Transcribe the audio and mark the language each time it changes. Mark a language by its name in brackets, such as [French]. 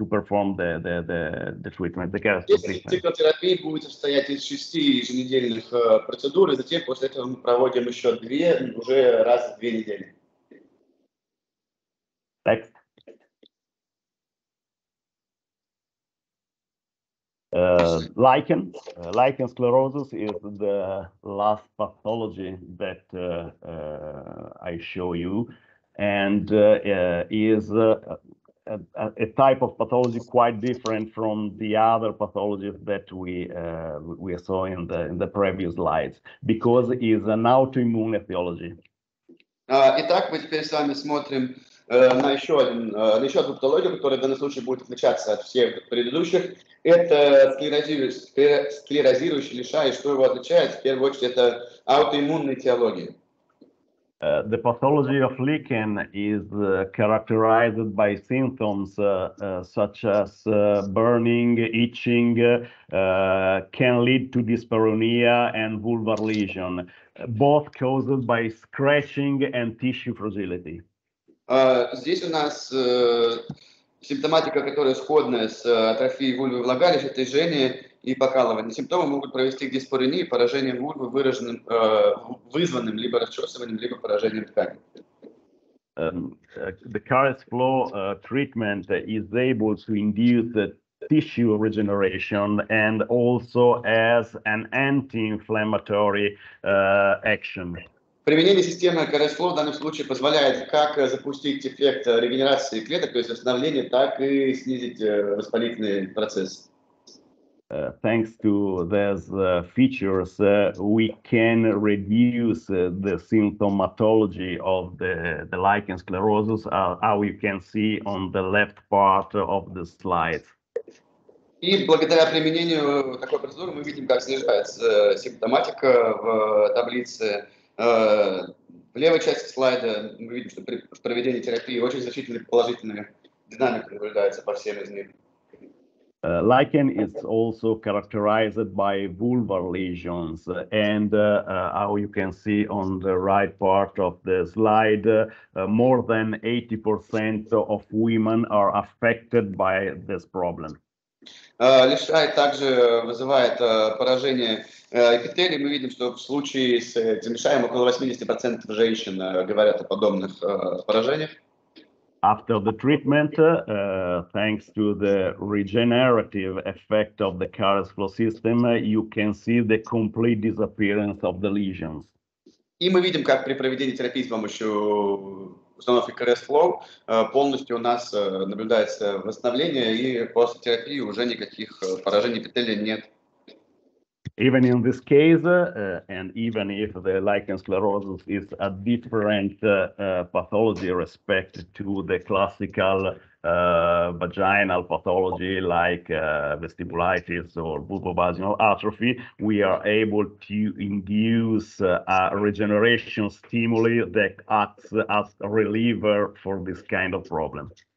[English] The treatment is we perform six weekly treatments and two adjunctive B weekly treatments after the treatment. [Russian] Циклотерапия будет состоять из шести еженедельных процедур, и затем после этого мы проводим еще две уже раз в две недели. [English] Next. Lichen sclerosis is the last pathology that I show you, and is a type of pathology quite different from the other pathologies that we saw in the previous slides, because it is an autoimmune etiology. [Russian] Итак, мы теперь с вами смотрим на еще одну патологию, которая в данном случае будет отличаться от всех предыдущих. Это склерозирующий лишай. Что его отличает? В первую очередь, это аутоиммунная этиология. [English] The pathology of lichen is characterized by symptoms such as burning, itching, can lead to dyspareunia and vulvar lesion, both caused by scratching and tissue fragility. [Russian] Здесь у нас симптоматика, которая сходная с атрофией вульвы влагалища, это жжение и покалывание. Симптомы могут провести к диспарении, поражение вульвы, вызванным либо расчесыванием, либо поражением ткани. [English] The CARES flow treatment is able to induce the tissue regeneration and also as an anti-inflammatory action. [Russian] Применение системы CARES-FLOW в данном случае позволяет как запустить эффект регенерации клеток, то есть восстановление, так и снизить воспалительный процесс. [English] Thanks to these features, we can reduce the symptomatology of the lichen sclerosis, how you can see on the left part of the slide. [Russian] И благодаря применению такой процедуры мы видим, как снижается симптоматика в таблице. В левой части слайда мы видим, что при проведении терапии очень значительная положительная динамика наблюдается по всем из них. [English] Lichen is also characterized by vulvar lesions, and how you can see on the right part of the slide, more than 80% of women are affected by this problem. [Russian] Лишай также вызывает поражение эпителий. Мы видим, что в случае с этим лишаем около 80% женщин говорят о подобных поражениях. [English] After the treatment, thanks to the regenerative effect of the CARES flow system, you can see the complete disappearance of the lesions. [Russian] И мы видим, как при проведении терапии с помощью установки CARES flow полностью у нас наблюдается восстановление, и после терапии уже никаких поражений эпителия нет. [English] Even in this case, and even if the lichen sclerosis is a different pathology respect to the classical vaginal pathology like vestibulitis or vulvovaginal atrophy, we are able to induce a regeneration stimuli that acts as a reliever for this kind of problem.